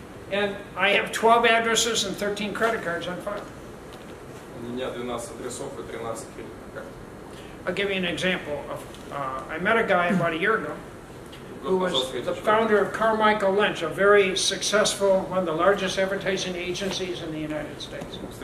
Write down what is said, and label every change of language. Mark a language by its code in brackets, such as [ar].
[en] And I have 12 addresses and 13 credit cards on file. [ru] У меня 12 адресов и 13 кредитных карт. [en] I'll give you an example. I met a guy about a year ago who was the founder of Carmichael Lynch, a very successful, one of the largest advertising agencies in the United States.